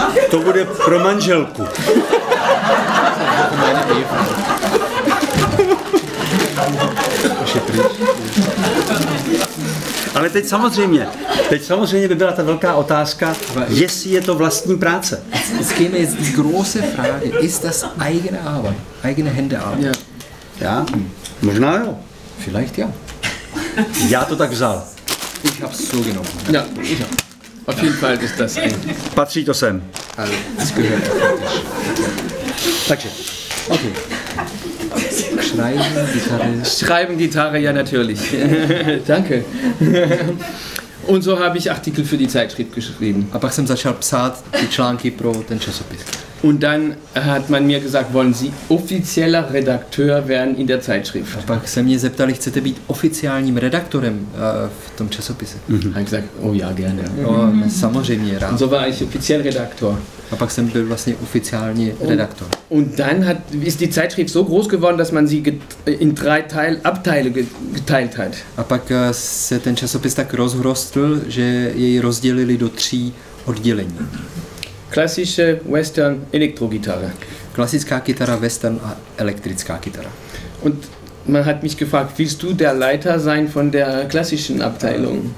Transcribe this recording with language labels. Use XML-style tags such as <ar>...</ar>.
<cs>To bude pro manželku. Ale teď samozřejmě by byla ta velká otázka, jestli je to vlastní práce.</cs> <de>Es käme jetzt die große Frage, ist das eigene Arbeit, eigene Hände Arbeit?</de> <cs>Ja, možná jo.</cs> <de>Vielleicht ja.</de> <cs>Já to tak vzal.</cs> <de>Ich hab's so genommen. Ja. Auf jeden Fall ist das ein...</de> <cs>Patří to sem.</cs> <de>Also, das gehört praktisch. Danke. Okay. Schreiben, Gitarre. Schreiben, Gitarre, ja natürlich. Danke. Und so habe ich Artikel für die Zeitschrift geschrieben.</de> <cs>Aber jsem začal psát die články pro ten časopis.</cs> <de>Und dann hat man mir gesagt, wollen Sie offizieller Redakteur werden in der Zeitschrift?</de> <cs>A pak se mě zeptali, chcete být oficiálním redaktorem v tom časopise?</cs> <de>Mm-hmm. Habe gesagt, oh ja, gerne.</de> <cs>No, samozřejmě rád.</cs> <de>Und so war ich offiziell Redaktor.</de> <cs>A pak jsem byl vlastně oficiální redaktor.</cs> <de>Und dann ist die Zeitschrift so groß geworden, dass man sie in drei Abteile geteilt hat.</de> <cs>A pak se ten časopis tak rozrostl, že jej rozdělili do tří oddělení.</cs> <de>Klassische Western Elektrogitarre.</de> <cs>Klassická kytara, Western a elektrická kytara.</cs> <de>Und man hat mich gefragt, willst du der Leiter sein von der klassischen Abteilung?</de>